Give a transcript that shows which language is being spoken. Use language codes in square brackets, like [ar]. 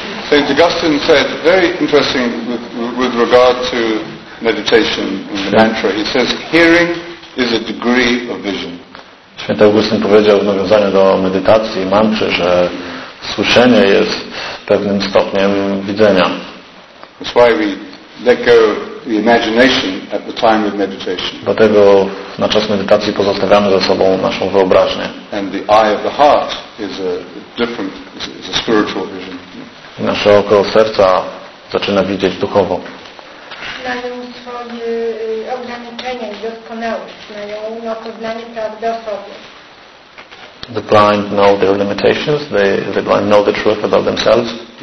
[en] Saint Augustine said very interesting with regard to meditation and the mantra. He says hearing is a degree of vision. [pl] Święty Augustyn powiedział w nawiązaniu do medytacji i mantry, że słyszenie jest pewnym stopniem widzenia. [en] That's why we let go the imagination at the time of meditation. [pl] Dlatego na czas medytacji pozostawiamy za sobą naszą wyobraźnię. [en] And the eye of the heart is a different, is a spiritual vision. [pl] I nasze oko serca zaczyna widzieć duchowo. Mają swoje ograniczenia i doskonałość. Mają poznanie prawdy o sobie. [en] The blind know their limitations. The blind know the truth about themselves.